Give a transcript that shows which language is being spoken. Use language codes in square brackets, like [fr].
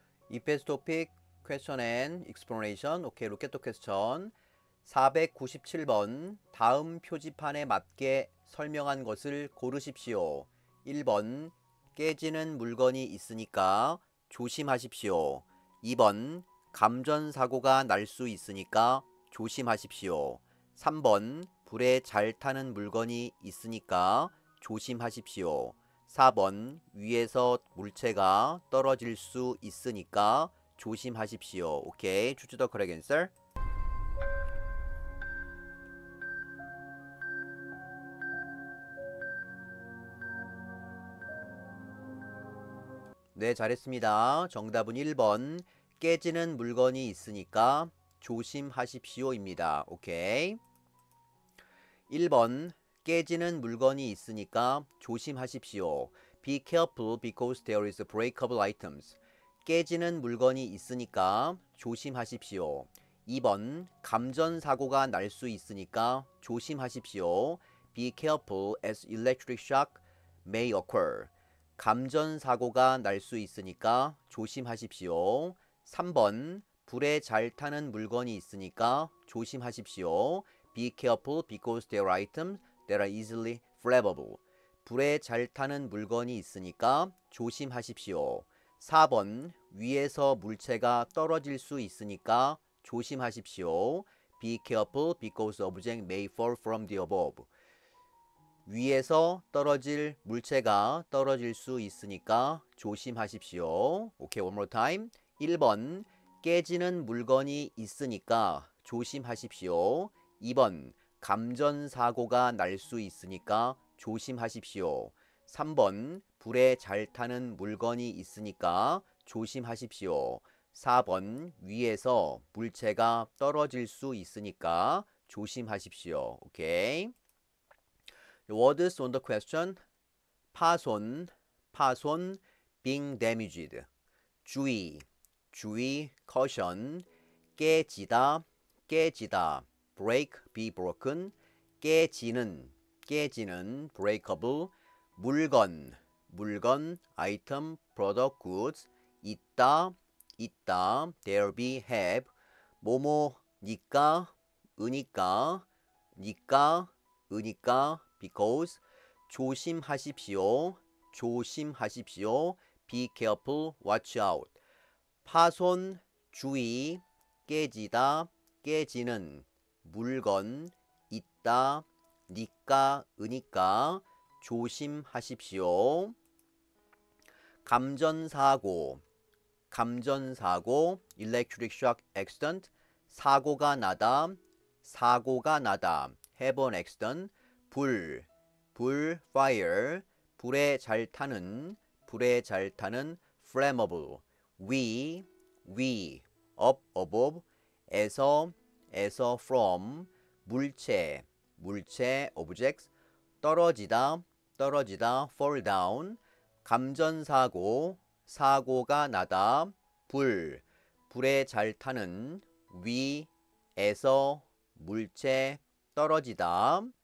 [en] Epic Topic Question and Exploration. [ko] 오케이, 로켓 퀘스천 497번. 다음 표지판에 맞게 설명한 것을 고르십시오. 1번, 깨지는 물건이 있으니까 조심하십시오. 2번, 감전사고가 날수 있으니까 조심하십시오. 3번, 불에 잘 타는 물건이 있으니까 조심하십시오. 4번, 위에서 물체가 떨어질 수 있으니까 조심하십시오. [en] 오케이, choose the correct answer. [ko] 네, 잘했습니다. 정답은 1번. 깨지는 물건이 있으니까 조심하십시오입니다. 오케이. 1번. 깨지는 물건이 있으니까 조심하십시오. [en] Be careful because there is breakable items. [ko] 깨지는 물건이 있으니까 조심하십시오. 2번. 감전사고가 날수 있으니까 조심하십시오. [en] Be careful as electric shock may occur. [ko] 감전사고가 날수 있으니까 조심하십시오. 3번, 불에 잘 타는 물건이 있으니까 조심하십시오. [en] Be careful because there are items that are easily flammable. [ko] 불에 잘 타는 물건이 있으니까 조심하십시오. 4번, 위에서 물체가 떨어질 수 있으니까 조심하십시오. [en] Be careful because objects may fall from the above. [ko] 위에서 떨어질 물체가 떨어질 수 있으니까 조심하십시오. [en] 오케이, one more time. [ko] 1번, 깨지는 물건이 있으니까 조심하십시오. 2번, 감전사고가 날수 있으니까 조심하십시오. 3번, 불에 잘 타는 물건이 있으니까 조심하십시오. 4번, 위에서 물체가 떨어질 수 있으니까 조심하십시오. [en] 오케이. Words on the question. [ko] 파손, 파손, being damaged. 주의, 주의, caution. 깨지다, 깨지다, break, be broken. 깨지는, 깨지는, breakable. 물건, 물건, item, product, goods. 있다, 있다, there be, have. 뭐뭐니까, 으니까, 니까, 으니까, because. 조심하십시오. 조심하십시오. [en] Be careful. Watch out. [ko] 파손, 주의, 깨지다, 깨지는, 물건, 있다, 니까, 으니까. 조심하십시오. 감전사고, 감전사고, electric shock accident. 사고가 나다, 사고가 나다, have an accident. 불, 불, fire, 불에 잘 타는, 불에 잘 타는, flammable, we, up, above, 에서, from, 물체, 물체, objects, 떨어지다, 떨어지다, fall down, 감전사고, 사고가 나다, 불, 불에 잘 타는, we, 에서, 물체, 떨어지다.